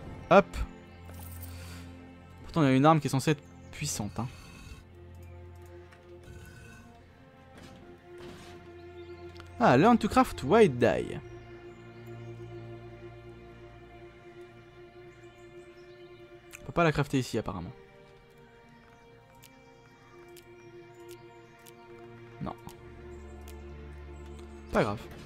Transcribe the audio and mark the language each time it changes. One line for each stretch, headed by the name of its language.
French: Hop! Pourtant, il y a une arme qui est censée être puissante, hein.
English: Ah, learn to craft white dye.
French: Pas la crafter ici apparemment. Non. Pas grave.